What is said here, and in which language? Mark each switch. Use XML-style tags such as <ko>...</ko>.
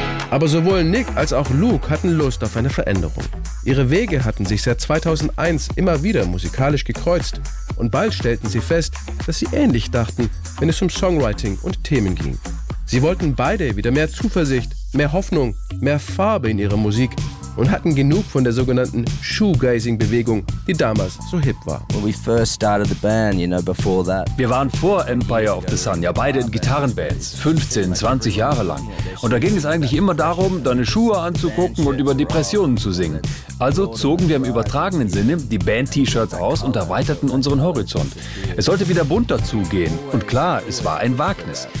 <de>Aber sowohl Nick als auch Luke hatten Lust auf eine Veränderung. Ihre Wege hatten sich seit 2001 immer wieder musikalisch gekreuzt und bald stellten sie fest, dass sie ähnlich dachten, wenn es um Songwriting und Themen ging. Sie wollten beide wieder mehr Zuversicht, mehr Hoffnung, mehr Farbe in ihrer Musik und hatten genug von der sogenannten Shoegazing-Bewegung, die damals so hip war.</de> <en>When we first started the band, you know, before that.</en> <de>Wir waren vor Empire of the Sun, ja beide in Gitarrenbands, 15, 20 Jahre lang. Und da ging es eigentlich immer darum, deine Schuhe anzugucken und über Depressionen zu singen. Also zogen wir im übertragenen Sinne die Band-T-Shirts aus und erweiterten unseren Horizont. Es sollte wieder bunter zugehen. Und klar, es war ein Wagnis.</de>